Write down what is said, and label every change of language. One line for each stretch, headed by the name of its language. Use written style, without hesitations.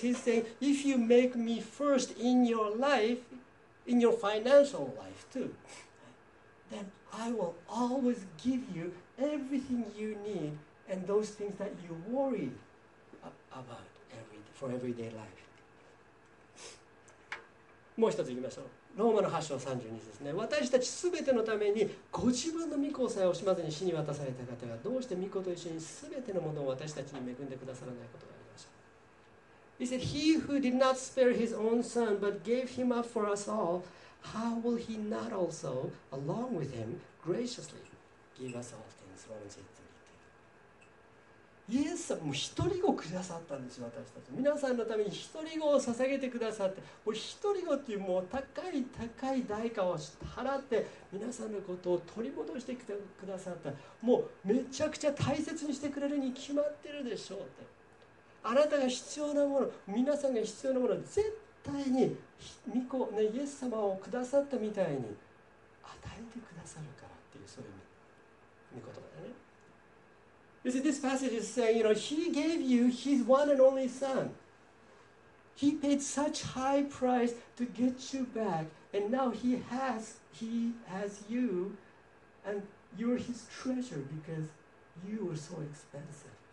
English: He's saying, if you make me first in your life, in your financial life too, then I will always give you everything you need and those things that you worry about every day, for everyday life.
Japanese: もう一つ言いましょう。ローマの8章32節ですね。私たちすべてのためにご自分の御子さえ惜しまずに死に渡された方がどうして御子と一緒にすべてのものを私たちに恵んでくださらないことがありましょう。
English: He said, He who did not spare his own son, but gave him up for us all, how will he not also, along with him, graciously give us all things? Romans 8:32.
Japanese: イエス様も一人子くださったんですよ、私たち。皆さんのために一人子を捧げてくださって、もう一人子っていうもう高い高い代価を払って、皆さんのことを取り戻してくださった。もうめちゃくちゃ大切にしてくれるに決まってるでしょうって。あなたが必要なもの、皆さんが必要なもの、絶対に御子、ね、イエス様をくださったみたいに与えてくださるからっていう、そういう御言葉だね。
English: You see, this passage is saying, you know, He gave you His one and only Son. He paid such high price to get you back, and now He has you, and you're His treasure because you were so expensive.